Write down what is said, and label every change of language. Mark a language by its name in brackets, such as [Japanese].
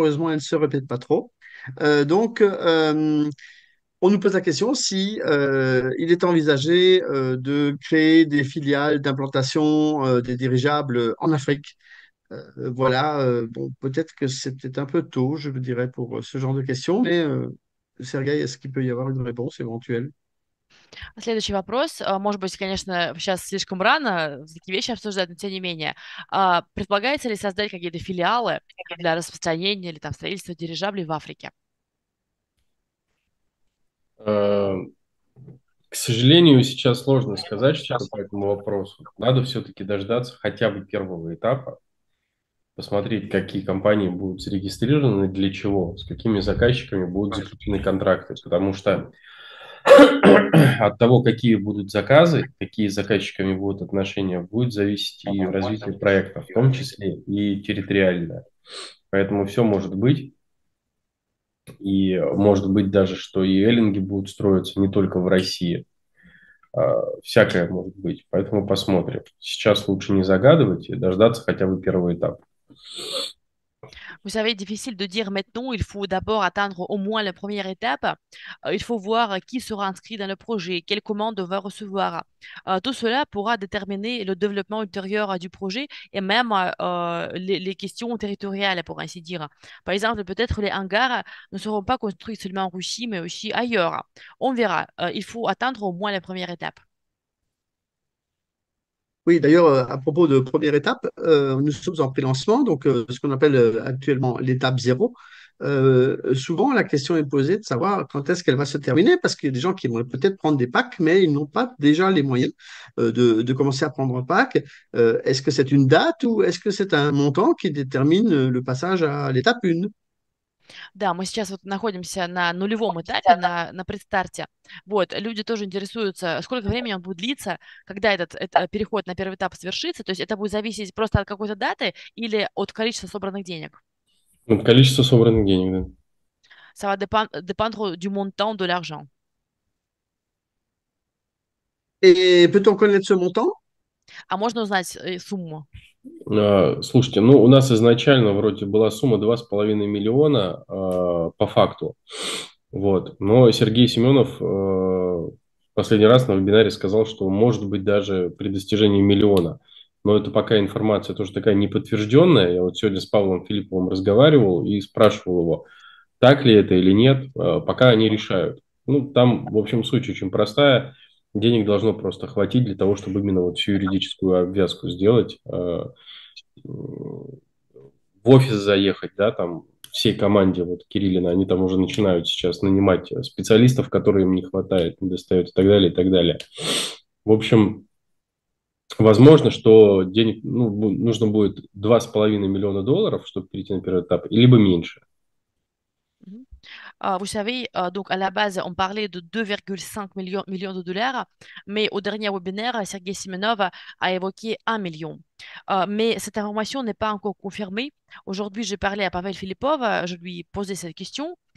[French] Heureusement, elles ne se répètent pas trop. On nous pose la question si il est envisagé de créer des filiales d'implantation des dirigeables en Afrique. Voilà, bon, peut-être que c'était un peu tôt, je dirais, pour ce genre de questions, mais Sergueï, est-ce qu'il peut y avoir une réponse éventuelle? [Russian] Следующий вопрос. Может быть, конечно, сейчас слишком рано такие вещи обсуждать, но тем не менее. Предполагается ли создать какие-то филиалы для распространения или там строительства дирижаблей в Африке? К сожалению, сейчас сложно сказать что-то по этому вопросу. Надо все-таки дождаться хотя бы первого этапа, посмотреть, какие компании будут зарегистрированы, для чего, с какими заказчиками будут заключены контракты. Потому что от того, какие будут заказы, какие с заказчиками будут отношения, будет зависеть и развитие проекта, в том числе и территориальное. Поэтому все может быть. И может быть даже, что и эллинги будут строиться не только в России. Всякое может быть. Поэтому посмотрим. Сейчас лучше не загадывать и дождаться хотя бы первого этапа. [French] Vous savez, difficile de dire maintenant, il faut d'abord attendre au moins la première étape. Il faut voir qui sera inscrit dans le projet, quelles commandes on va recevoir. Tout cela pourra déterminer le développement ultérieur du projet et même les questions territoriales, pour ainsi dire. Par exemple, peut-être les hangars ne seront pas construits seulement en Russie, mais aussi ailleurs. On verra. Il faut attendre au moins la première étape. Oui, d'ailleurs, à propos de première étape, nous sommes en pré-lancement, donc ce qu'on appelle actuellement l'étape zéro. Souvent, la question est posée de savoir quand est-ce qu'elle va se terminer, parce qu'il y a des gens qui aimeraient peut-être prendre des packs, mais ils n'ont pas déjà les moyens de commencer à prendre un pack. Est-ce que c'est une date ou est-ce que c'est un montant qui détermine le passage à l'étape une? [Russian] Да, мы сейчас вот находимся на нулевом этапе, на предстарте. Вот, люди тоже интересуются, сколько времени он будет длиться, когда этот переход на первый этап свершится. То есть это будет зависеть просто от какой-то даты или от количества собранных денег. Количество собранных денег, да. [French] Ça va dépendre du montant de l'argent. [Russian] И [French] peut-on connaître ce montant? [Russian] А можно узнать сумму? Слушайте, ну у нас изначально вроде была сумма 2,5 миллиона по факту. Вот. Но Сергей Семенов последний раз на вебинаре сказал, что может быть даже при достижении миллиона. Но это пока информация тоже такая неподтвержденная. Я вот сегодня с Павлом Филипповым разговаривал и спрашивал его, так ли это или нет, пока они решают. Ну, там, в общем, суть очень простая. Денег должно просто хватить для того, чтобы именно вот всю юридическую обвязку сделать, в офис заехать, да, там всей команде вот Кириллина, они там уже начинают сейчас нанимать специалистов, которые им не хватает, недостает и так далее, и так далее. В общем, возможно, что денег, ну, нужно будет 2,5 миллиона долларов, чтобы перейти на первый этап, либо меньше. [French] Vous savez, donc à la base, on parlait de 2,5 millions de dollars, mais au dernier webinaire, Sergey Simonov a évoqué 1 million. Mais cette information n'est pas encore confirmée. Aujourd'hui, j'ai parlé à Pavel Filipov, je lui ai posé cette question.